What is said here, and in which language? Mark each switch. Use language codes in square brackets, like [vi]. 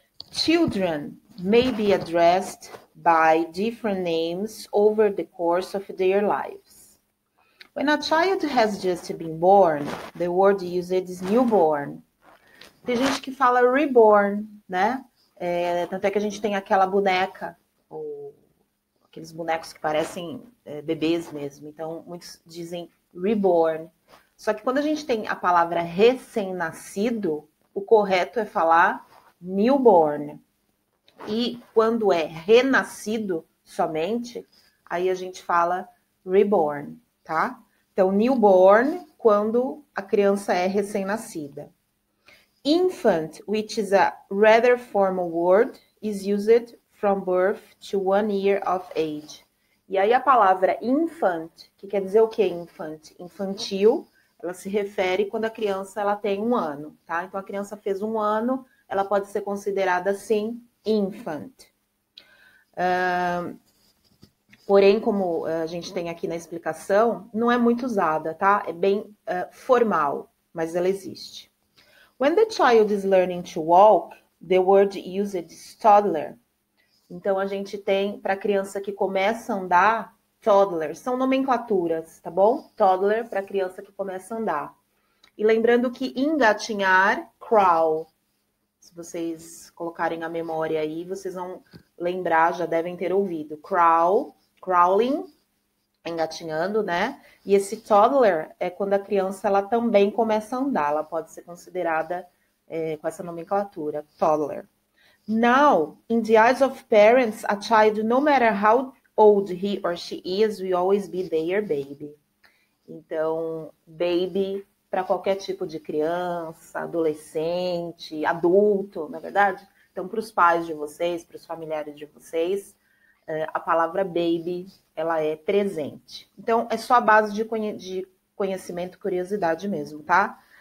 [en] Children may be addressed by different names over the course of their lives. When a child has just been born, the word used is newborn. [pt] Tem gente que fala reborn, né? Tanto é que a gente tem aquela boneca, ou aqueles bonecos que parecem bebês mesmo. Então, muitos dizem reborn. Só que quando a gente tem a palavra recém-nascido, o correto é falar newborn. E quando é renascido somente, aí a gente fala reborn, tá? Então, newborn, quando a criança é recém-nascida. [en] Infant, which is a rather formal word, is used from birth to 1 year of age. [pt] E aí a palavra infant, que quer dizer o quê? Infant, infantil. Ela se refere quando a criança ela tem 1 ano, tá? Então a criança fez 1 ano, ela pode ser considerada assim infant. Porém, como a gente tem aqui na explicação, não é muito usada, tá? É bem formal, mas ela existe. [en] When the child is learning to walk, the word used is toddler. [pt] Então a gente tem para criança que começa a andar. Toddler, são nomenclaturas, tá bom? Toddler para criança que começa a andar. E lembrando que engatinhar, crawl. Se vocês colocarem a memória aí, vocês vão lembrar, já devem ter ouvido. Crawl, crawling, engatinhando, né? E esse toddler é quando a criança ela também começa a andar. Ela pode ser considerada com essa nomenclatura, toddler. [en] Now, in the eyes of parents, a child, no matter how old he or she is, will always be their baby. [pt] Então, baby para qualquer tipo de criança, adolescente, adulto, na verdade. Então, para os pais de vocês, para os familiares de vocês, a palavra baby, ela é presente. Então, é só a base de conhecimento, curiosidade mesmo, tá?